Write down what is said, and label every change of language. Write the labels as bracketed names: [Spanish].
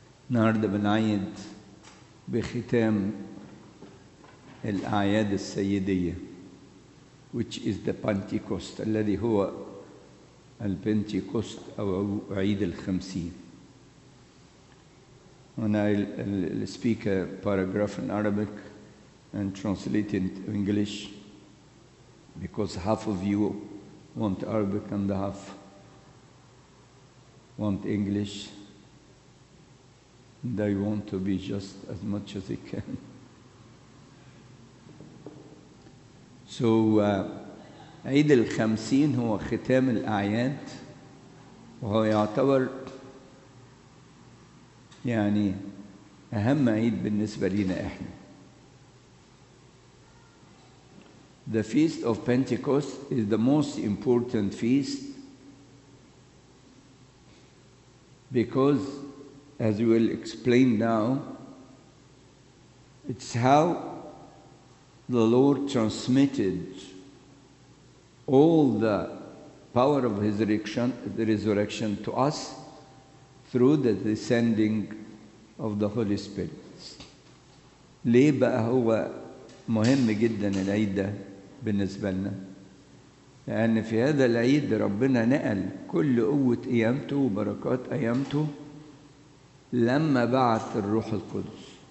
[Arabic] نهاردة بنعيد بختام الأعياد السيدية, [English] which is the Pentecost, [Arabic] الذي هو البنتيكوست أو عيد الخمسين. [English] When I'll speak a paragraph in Arabic and translate it into English, because half of you want Arabic and the half want English, and I want to be just as much as I can. [Arabic] So عيد الخمسين هو ختام الأعياد, وهو يعتبر يعني أهم عيد بالنسبة لنا إحنا. [English] The Feast of Pentecost is the most important feast because, as we will explain now, it's how the Lord transmitted all the power of His resurrection to us through the descending of the Holy Spirit. [Arabic] ليه بقى هو مهم جدا العيد ده بالنسبة لنا؟ لأن في هذا العيد ربنا نقل كل قوة قيامته وبركات قيامته لما بعث الروح القدس.